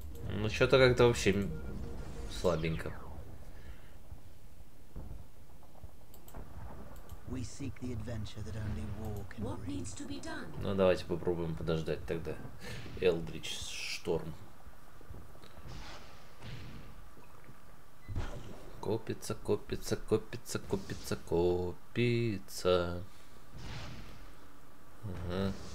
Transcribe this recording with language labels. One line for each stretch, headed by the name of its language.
Russian: Ну что-то как-то вообще слабенько.
English: We seek the adventure that only war can bring. What needs to be done?
Russian: Ну давайте попробуем подождать тогда. Элдрич Шторм. Копится, копится, копится, копится, копится. Угу.